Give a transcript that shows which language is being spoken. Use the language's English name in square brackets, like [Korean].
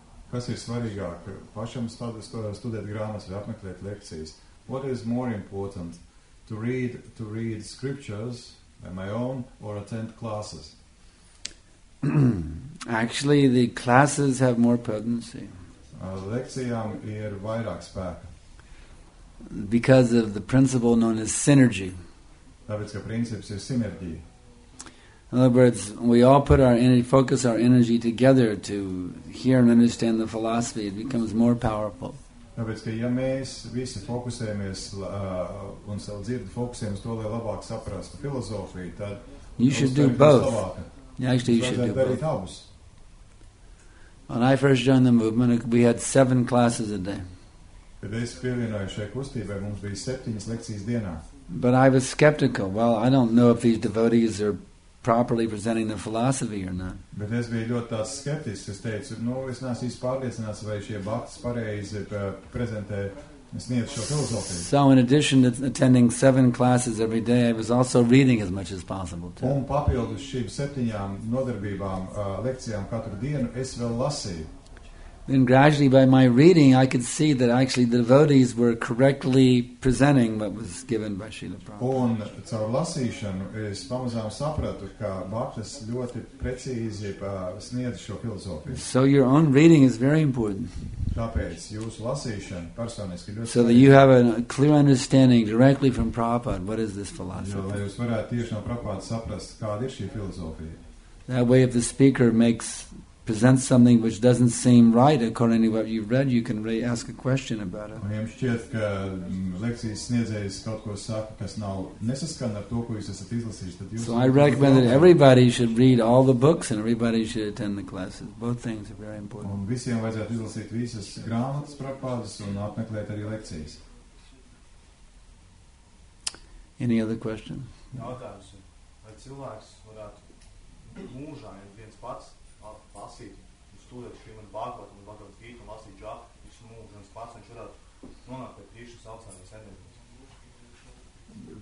[Latvian] Kas ir svarīgāk, pašam studēt grāmatas vai apmeklēt lekcijas? [English] What is more important, to read scriptures on my own or attend classes? Actually, the classes have more potency. [Latvian] Lekcijām ir vairāk spēka. [English] Because of the principle known as synergy. [Latvian] Tāpēc, ka princips ir sinerģija. [English] In other words, we all put our energy, focus our energy together to hear and understand the philosophy. It becomes more powerful. [Latvian] Tāpēc, ka ja mēs visi fokusējamies un savu dzirdi fokusējamies to, lai labāk saprastu filozofiju, tad... [English] You should do both. Actually, you should do both. When I first joined the movement, we had 7 classes a day. [Latvian] Kad es pievienoju šai kustībai, mums bija 7 lekcijas dienā. [English] But I was skeptical. Well, I don't know if these devotees are... properly presenting the philosophy or not. [Latvian] Bet es biju ļoti tāds skeptisks, es teicu, nu, es neesmu īsti pārliecināts, vai šie bakts pareizi prezentē, sniedz šo filozofiju. [English] So in addition to attending 7 classes every day, I was also reading as much as possible too. [Latvian] Un papildus šīm 7 nodarbībām, lekcijām katru dienu, es vēl lasīju. [English] Then gradually by my reading I could see that actually the devotees were correctly presenting what was given by Srila Prabhupada. [Latvian] Un caur lasīšanu es pamazām sapratu, ka Bhaktas ļoti precīzi sniedz šo filozofiju. [English] So your own reading is very important. [Latvian] Tāpēc jūsu lasīšana personiski ļoti [English] So that you have a clear understanding directly from Prabhupada what is this philosophy. [Latvian] Jo, lai jūs varētu tieši no Prabhupada saprast, kāda ir šī filozofija. [English] That way if the speaker makes present something which doesn't seem right according to what you've read, you can really ask a question about it. [Latvian] Un jums šķiet, ka lekcijas sniedzējs kaut ko saka, kas nav nesaskan ar to, ko jūs esat izlasījis, tad jūs... [English] So I recommend that everybody should read all the books and everybody should attend the classes. Both things are very important. [Latvian] Un visiem vajadzētu izlasīt visas grāmatas, prakpādes un apmeklēt arī lekcijas. [English] Any other question? [Latvian] Jautājums, vai cilvēks varētu mūžā ir viens pats lasīt, studēt Šrīmad Bhagavatam un Bhagavad Gītam, lasīt džāk, viņš mūs viens pats, viņš varētu nonākt pie tieši saucājās enerģijas.